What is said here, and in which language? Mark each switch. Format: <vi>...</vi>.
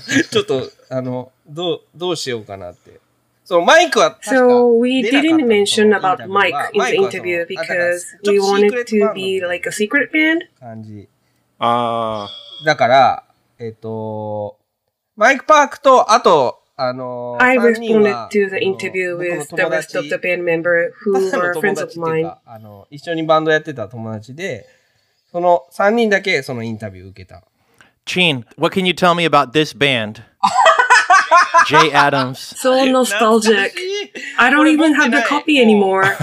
<ja>ちょっと、あの、どうしようかなって。</ja> <en>So,</en> <ja>Mike は</ja> <en>so we didn't mention about Mike in the interview because we wanted to be like a secret band.</en> <ja>だから、Mike Park とあと、</ja> <en>I responded to the interview with the rest of the band member who were friends of mine.</en> <ja>一緒にバンドやってた友達で、その3人だけそのインタビュー受けた。</ja> <en>Chin, what can you tell me about this band? Jay Adams. So nostalgic. I don't even have the copy anymore.</en>